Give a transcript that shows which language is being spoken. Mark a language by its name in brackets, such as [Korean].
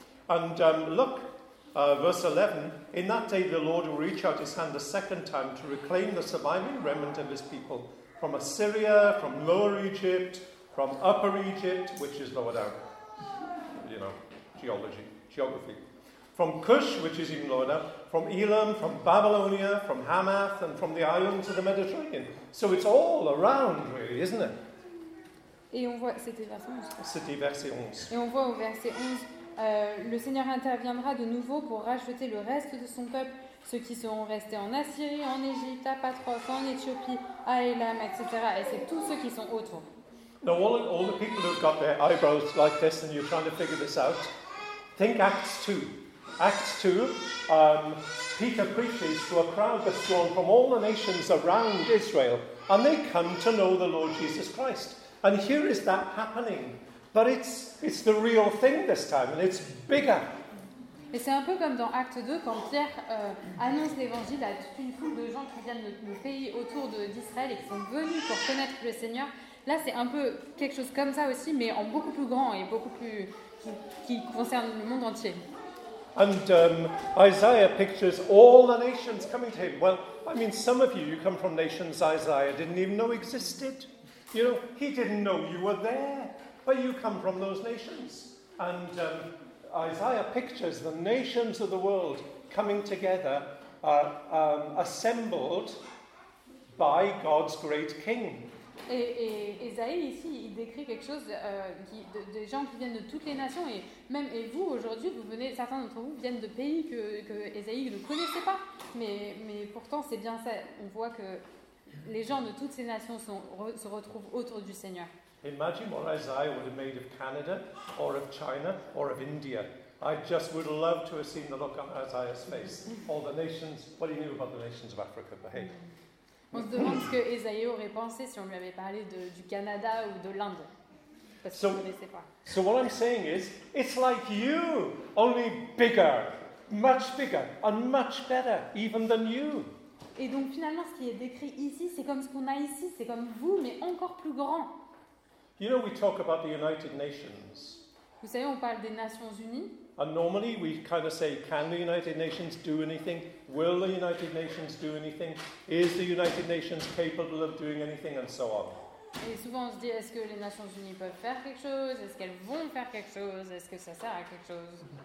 [English] And look, verse 11. In that day, the Lord will reach out his hand a second time to reclaim the surviving remnant of his people from Assyria, from Lower Egypt, from Upper Egypt, which is lower down. You know, geology, geography. From Cush, which is even lower down, from Elam, from Babylonia, from Hamath, and from the islands of the Mediterranean. So it's all around, really, isn't it? [French] Et on voit, c'était verset 11. C'était verset 11. Et on voit au verset 11, le Seigneur interviendra de nouveau pour racheter le reste de son peuple, ceux qui seront restés en Assyrie, en Égypte, à Patros, en Éthiopie, à Elam, etc. Et c'est tous ceux qui sont autour. [English] Now all the people who've got their eyebrows like this and you're trying to figure this out, think Acts 2. Acts 2, Peter preaches to a crowd that's drawn from all the nations around Israel, and they come to know the Lord Jesus Christ. And here is that happening, but it's the real thing this time, and it's bigger. [French] Et c'est un peu comme dans Acte 2, quand Pierre annonce l'évangile à toute une foule de gens qui viennent du pays autour de, d'Israël et qui sont venus pour connaître le Seigneur. Là, c'est un peu quelque chose comme ça aussi, mais en beaucoup plus grand et beaucoup plus qui concerne le monde entier. [English] And Isaiah pictures all the nations coming to him. Well, I mean, some of you come from nations Isaiah didn't even know existed. You know, he didn't know you were there. But you come from those nations. And Isaiah pictures the nations of the world coming together, assembled by God's great king. [French] Et Isaïe ici, il décrit quelque chose des gens qui viennent de toutes les nations et même et vous aujourd'hui, vous venez, certains d'entre vous viennent de pays que Isaïe ne connaissait pas, mais pourtant c'est bien ça. On voit que les gens de toutes ces nations se retrouvent autour du Seigneur. [English] Imagine what Isaiah would have made of Canada or of China or of India. I just would love to have seen the look on Isaiah's face. All the nations, what he knew about the nations of Africa, but hey. [French] On se demande ce que Esaïe aurait pensé si on lui avait parlé du Canada ou de l'Inde, parce qu'il ne connaissait pas. [English] So what I'm saying is, it's like you, only bigger, and much better, even than you. [French] Et donc finalement, ce qui est décrit ici, c'est comme ce qu'on a ici, c'est comme vous, mais encore plus grand. [English] You know, we talk about the United Nations. [French] Vous savez, on parle des Nations Unies. [English] And normally we kind of say, can the United Nations do anything? Will the United Nations do anything? Is the United Nations capable of doing anything? And so on. [French] Et souvent on se dit, est-ce que les Nations Unies peuvent faire quelque chose? Est-ce qu'elles vont faire quelque chose? Est-ce que ça sert à quelque chose?